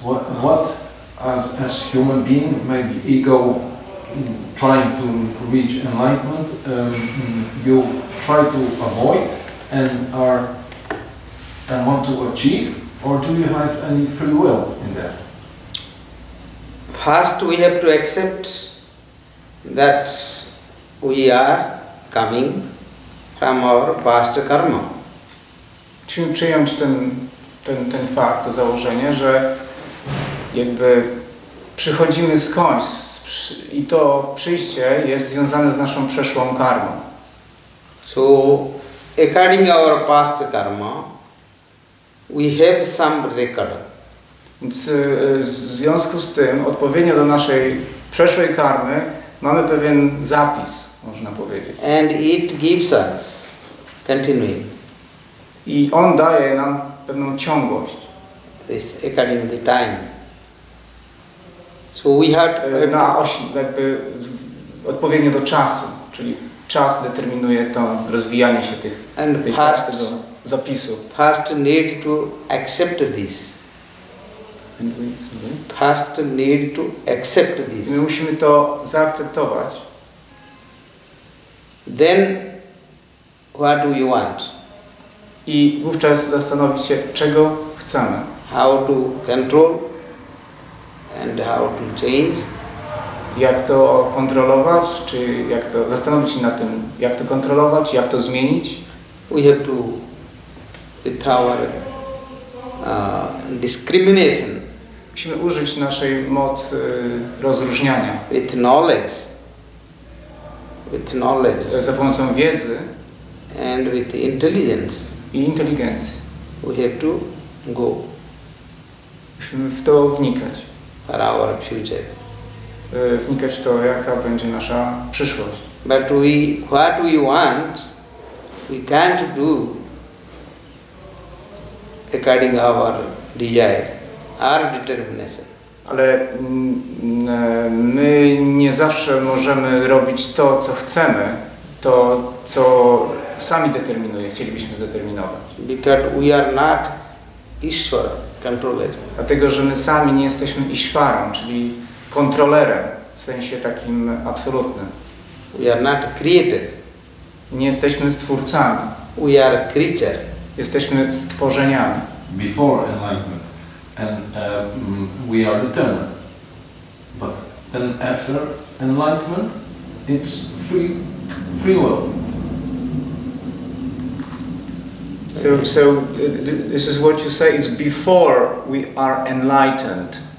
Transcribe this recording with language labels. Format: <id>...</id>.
<en>What as human being, maybe ego trying to reach enlightenment, you try to avoid and want to achieve, or do you have any free will in that? First, we have to accept that we are coming from our past karma.</en> <pl>Czy przyjąć ten fakt, to założenie, że jakby przychodzimy skądś i to przyjście jest związane z naszą przeszłą karmą.</pl> <en>So, according to our past karma, we have some record.</en> <pl>Więc w związku z tym, odpowiednio do naszej przeszłej karmy, mamy pewien zapis, można powiedzieć.</pl> <en>And it gives us continuing.</en> <pl>I on daje nam pewną ciągłość.</pl> <en>This according to the time. So we had</en> <pl>na oś, jakby odpowiednio do czasu, czyli czas determinuje to rozwijanie się tych</pl> <en>and</en> <pl>tej,</pl> <en>past,</en> <pl>tego zapisu.</pl> <en>First need to accept this. First need to accept this.</en> <pl>My musimy to zaakceptować.</pl> <en>Then what do you want?</en> <pl>I wówczas zastanowić się, czego chcemy.</pl> <en>How to control and how to change.</en> <pl>Jak to kontrolować, czy jak to zastanowić się na tym, jak to kontrolować, jak to zmienić.</pl> <en>We have to, with our discrimination.</en> <pl>Musimy użyć naszej mocy rozróżniania.</pl> <en>With knowledge. With knowledge.</en> <pl>Za pomocą wiedzy.</pl> <en>And with intelligence.</en> <pl>I inteligencji.</pl> <en>We have to go.</en> <pl>Musimy w to wnikać.</pl> <en>For our future.</en> <pl>Wnikać to, jaka będzie nasza przyszłość.</pl> <en>But we, what we want, we can't do according to our desire. Our determination.</en> <pl>Ale my nie zawsze możemy robić to, co chcemy, to, co sami determinuje, chcielibyśmy zdeterminować.</pl> <en>Because we are not Ishwara controller.</en> <pl>Dlatego, że my sami nie jesteśmy Ishwaram, czyli kontrolerem, w sensie takim absolutnym.</pl> <en>We are not creator.</en> <pl>Nie jesteśmy stwórcami.</pl> <en>We are creature.</en> <pl>Jesteśmy stworzeniami.</pl> <en>Before enlightenment. And we are determined, but then after enlightenment, it's free will. So this is what you say. It's before we are enlightened.</en>